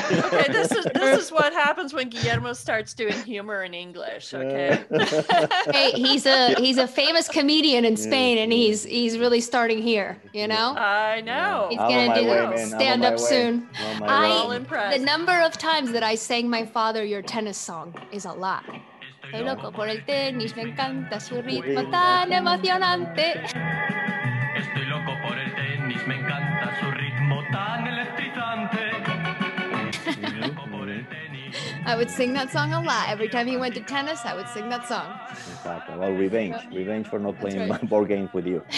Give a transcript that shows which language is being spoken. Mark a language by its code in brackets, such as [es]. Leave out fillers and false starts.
[en] Okay, this is what happens when Guillermo starts doing humor in English, okay? Hey, he's a famous comedian in Spain, and he's really starting here, you know? I know. He's going to do stand up soon. I'm impressed. The number of times that I sang my father your tennis song is a lot. [es] Estoy loco por el tenis, me encanta su ritmo tan emocionante. Estoy loco por el tenis, me encanta su ritmo tan electrizante. [en] I would sing that song a lot. Every time he went to tennis, I would sing that song. Exactly. Well, revenge. Revenge for not playing board games with you.